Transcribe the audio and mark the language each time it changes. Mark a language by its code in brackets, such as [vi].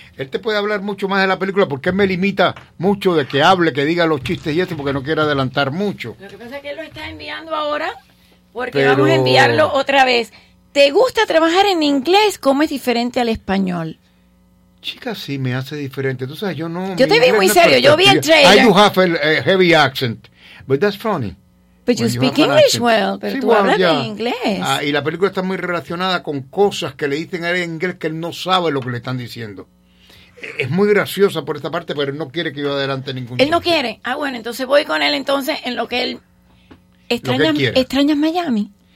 [es] Él te puede hablar mucho más de la película porque él me limita mucho de que hable, que diga los chistes y eso, porque no quiere adelantar mucho. Lo que pasa es que él lo está enviando ahora... Vamos a enviarlo otra vez. ¿Te gusta trabajar en inglés? ¿Cómo es diferente al español? Chica, sí, me hace diferente. Tú sabes, yo no... Yo te vi muy serio, yo vi el trailer. [en] I do have a heavy accent, but that's funny. But you speak English well, [es] pero sí, tú hablas ya. En inglés. Y la película está muy relacionada con cosas que le dicen a él en inglés que él no sabe lo que le están diciendo. Es muy graciosa por esta parte, pero él no quiere que yo adelante ningún chiste. Él no quiere. Ah, bueno, entonces voy con él entonces en lo que él... extraña Miami.